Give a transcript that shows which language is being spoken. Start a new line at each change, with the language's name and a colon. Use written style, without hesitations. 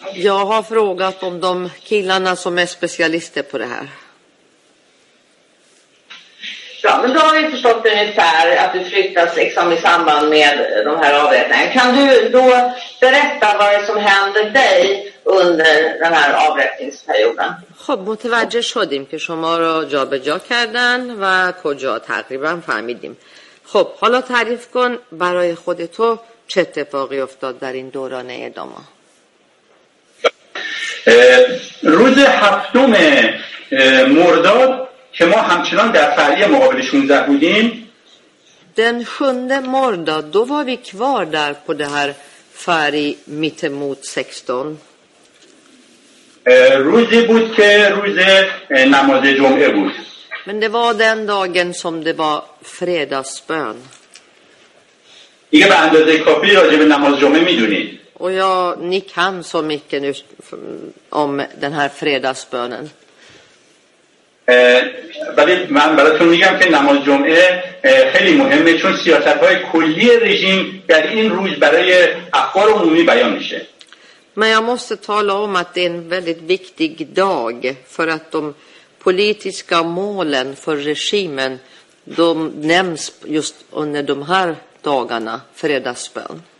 Swedish: Jag har frågat om de killarna som är specialister på det här. Ja, men då har vi förstått ungefär att du flyttas liksom i samband med de här avrättningarna. Kan du då berätta vad det som hände dig under den här avrättningsperioden?
Persian: متوجه شدیم که شما را جابجا کردن و کجا تقریبا فهمیدیم. خب حالا تعریف کن برای خود تو چه اتفاقی افتاد در این دوران اعدام. روز هفتم مرداد که ما همچنان در فرعی مقابل 16 بودیم.
Swedish: Den 7 mordag då var vi kvar där på det här färg mitt emot 16.
Persian: روزی بود که روز نماز جمعه بود.
Swedish: Men det var den dagen som det var fredagsbön.
Persian: دیگه به اندازه کافی راجع به نماز جمعه میدونید.
Swedish: Och jag ni kan så mycket nu om den här fredagsbönen.
Persian: ولی من براتون میگم که نماز جمعه خیلی مهمه، چون سیاست‌های کلی رژیم در این روز برای افکار عمومی بیان میشه.
Swedish: Men jag måste tala om att det är en väldigt viktig dag för att de politiska målen för regimen, de nämns just under de här dagarna, fredagsbön.